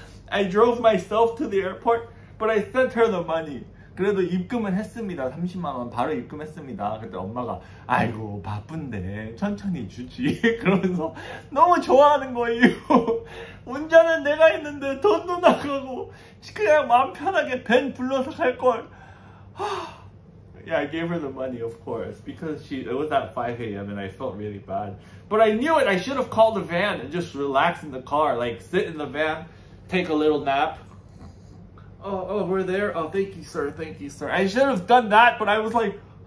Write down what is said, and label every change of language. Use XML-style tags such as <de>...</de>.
<en>I drove myself to the airport, but I sent her the money.</en> <ko>그래도 입금은 했습니다. 30만 원 바로 입금했습니다. 그때 엄마가 아이고 바쁜데 천천히 주지 그러면서 너무 좋아하는 거예요. 운전은 내가 했는데 돈도 나가고 그냥 마음 편하게 벤 불러서 갈 걸.</ko> <en>Yeah, I gave her the money, of course, because it was at 5 a.m. and I felt really bad. But I knew it. I should have called a van and just relaxed in the car, like sit in the van, take a little nap. Oh, we're there. Oh, thank you, sir. Thank you, sir. I should have done that, but I was like...</en>